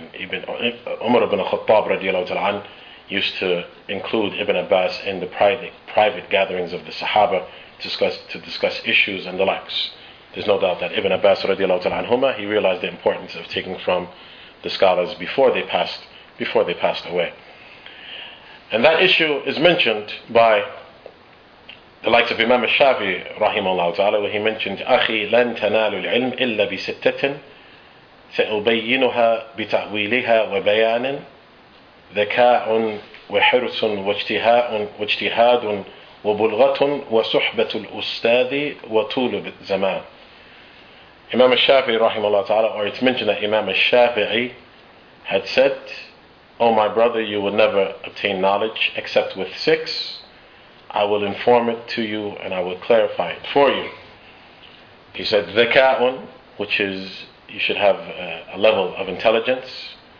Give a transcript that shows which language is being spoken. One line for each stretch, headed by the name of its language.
English: And Ibn Umar ibn al-Khattab radiallahu ta'ala an used to include Ibn Abbas in the private gatherings of the Sahaba to discuss issues and the likes. There's no doubt that Ibn Abbas radiallahu ta'ala anhuma, he realized the importance of taking from the scholars before they passed away. And that issue is mentioned by the likes of Imam al-Shafi, rahimahullah ta'ala, where he mentioned,
Arabic: أَخِي لَن تَنَالُ الْعِلْمِ إِلَّا بِسِتَّةٍ سَأُبَيِّنُهَا بِتَعْوِيلِهَا وَبَيَانٍ ذَكَاءٌ وَحِرْسٌ وَاجْتِهَادٌ وَبُلْغَةٌ وَصُحْبَةُ الْأُسْتَاذِ وَطُولُ الزَّمَانِ.
English: Imam al-Shafi, rahimahullah ta'ala, or it's mentioned that Imam al-Shafi'i had said, O my brother, you will never obtain knowledge except with six. I will inform it to you and I will clarify it for you. He said, ذَكَاءٌ, which is, you should have a level of intelligence.